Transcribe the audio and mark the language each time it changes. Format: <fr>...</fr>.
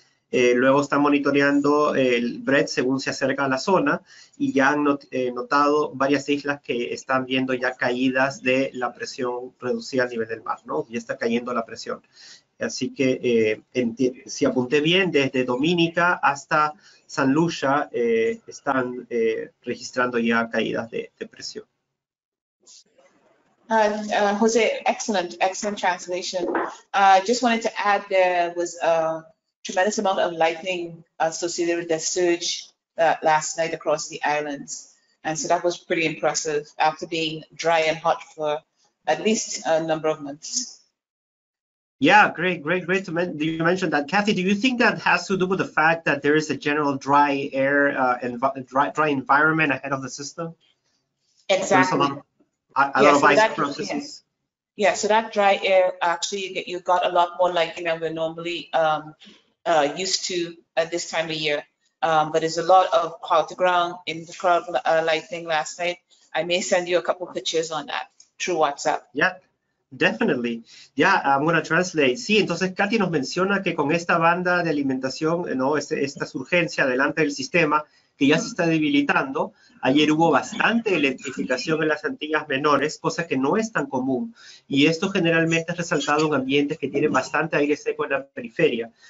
<es>Luego están monitoreando el Bret según se acerca a la zona, y ya han notado varias islas que están viendo ya caídas de la presión reducida al nivel del mar, ¿no? Ya está cayendo la presión. Así que, si apunté bien, desde Dominica hasta San Lucia están registrando ya caídas de presión.</es> <en>Jose, excellent translation. Just wanted to add there was a tremendous amount of lightning associated with the surge last night across the islands. And so that was pretty impressive after being dry and hot for at least a number of months. Yeah, great, great, great to mention that. Kathy, do you think that has to do with the fact that there is a general dry air and dry environment ahead of the system? Exactly. There's a lot of ice processes. Yeah, so that dry air, actually, you've got a lot more like, you know, we're normally used to at this time of year. But there's a lot of quality ground in the cloud lightning last night. I may send you a couple pictures on that through WhatsApp. Yeah. Definitely. Yeah, I'm going to translate.</en> <es>Sí, entonces Katy nos menciona que con esta banda de alimentación, ¿no? Esta surgencia delante del sistema que ya se está debilitando, ayer hubo bastante electrificación en las Antillas Menores, cosa que no es tan común. Y esto generalmente es resaltado en ambientes que tienen bastante aire seco en la periferia.</es>